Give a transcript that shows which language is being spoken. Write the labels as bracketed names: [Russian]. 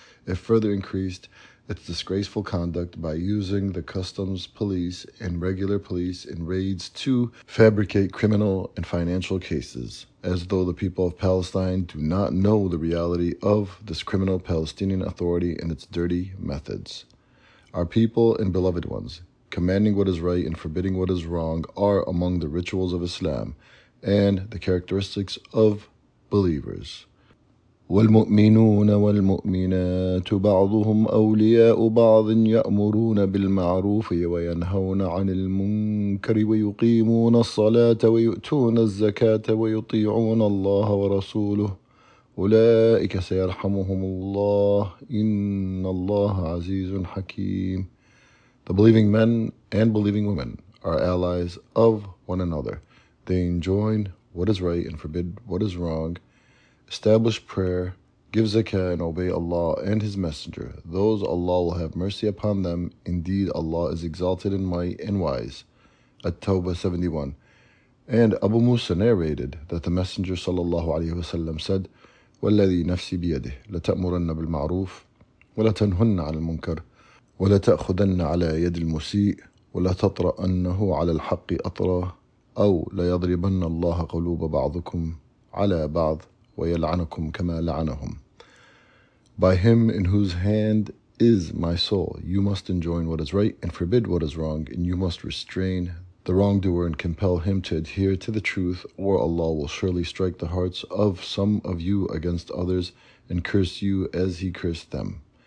[English] It further increased its disgraceful conduct by using the customs police and regular police in raids to fabricate criminal and financial cases, as though the people of Palestine do not know the reality of this criminal Palestinian Authority and its dirty methods. Our people and beloved ones, commanding what is right and forbidding what is wrong, are among the rituals of Islam and the characteristics of believers. [Arabic] والمؤمنون والمؤمنات بعضهم أولياء بعض يأمرون بالمعروف وينهون عن المنكر ويقيمون الصلاة ويؤتون الزكاة ويطيعون الله ورسوله أولئك سيرحمهم الله إن الله عزيز حكيم. [English] The believing men and believing women are allies of one another. They enjoin what is right and forbid what is wrong, establish prayer, give zakah, and obey Allah and His Messenger. Those Allah will have mercy upon them. Indeed, Allah is exalted in might and wise. At-Tawbah 71. And Abu Musa narrated that the Messenger sallallahu alayhi wa sallam said, [Arabic] وَالَّذِي نَفْسِي بِيَدِهِ لَتَأْمُرَنَّ بِالْمَعْرُوفِ وَلَتَنْهُنَّ عَلَى الْمُنْكَرِ وَلَتَأْخُذَنَّ عَلَى يَدِ الْمُسِيءِ وَلَتَطْرَأَنَّهُ عَلَى الْحَقِّ أَطْرَهُ أَوْ لَيَضْرِبَنَّ اللَّهَ قُلُوبَ بَعْضُكُمْ عَلَى بَعْضٍ وَيَلْعَنَكُمْ كَمَا لَعَنَهُمْ. [English] By Him in whose hand is my soul, you must enjoin what is right and forbid what is wrong, and you must restrain the wrongdoer and compel him to adhere to the truth, or Allah will surely strike the hearts of some of you against others and curse you as He cursed them.